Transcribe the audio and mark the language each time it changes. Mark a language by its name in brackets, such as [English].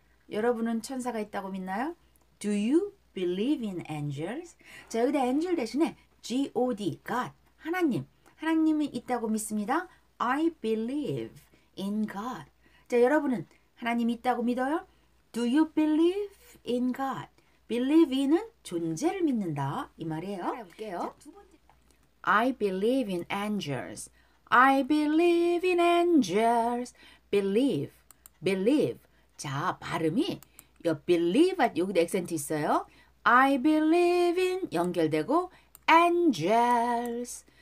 [Korean] 여러분은 천사가 있다고 믿나요? [English] Do you believe in angels? [Korean] 자, 여기다 angel 대신에 God, God, 하나님. 하나님이 있다고 믿습니다. [English] I believe in God. [Korean] 자, 여러분은 하나님 있다고 믿어요? [English] Do you believe in God? [Korean] Believe in은 존재를 믿는다. 이 말이에요. 자, 볼게요. [English] I believe in angels. I believe in angels. Believe. [Korean] 자, 발음이 여 believe 여기 액센트 있어요. [English] I believe in [Korean] 연결되고 [English] angels.